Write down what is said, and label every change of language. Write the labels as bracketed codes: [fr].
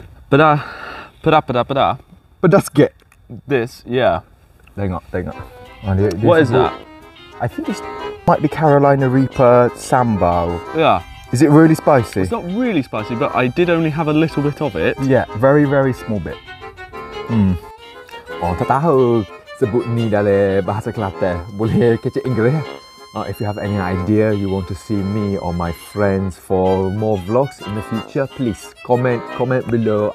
[ms] Pada. Pedas get. [en] This, yeah. [ms] Tengok. [en] Oh, what is that? I think it might be Carolina Reaper sambal. Yeah. Is it really spicy? It's not really spicy, but I did only have a little bit of it. Yeah, very, very small bit. [ms] Oh, tahu sebut ni dari bahasa Kelate. Boleh kecek Inggeris. [en] If you have any idea you want to see me or my friends for more vlogs in the future, please comment below.